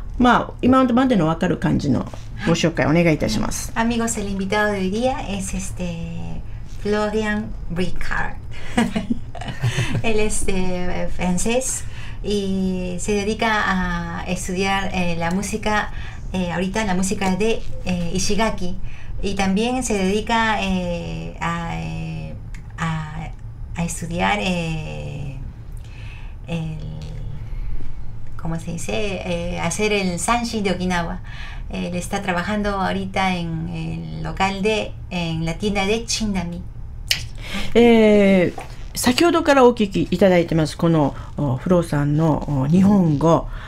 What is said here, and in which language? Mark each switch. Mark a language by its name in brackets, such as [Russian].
[Japanese] まあ今までの分かる感じのご紹介お願いいたします。アミゴスリビドウリアエスステフロリアン・ブリカーエレステフランセスイセデリカアエスディアラムシカ。 [Spanish] Ahorita la música de Ishigaki y también se dedica a estudiar el, ¿cómo se dice? Hacer el Sanshin de Okinawa. Él está trabajando ahorita en el local de en la tienda de Chindami. [Japanese] 先ほどからお聞きいただいてますこのフローさんの日本語。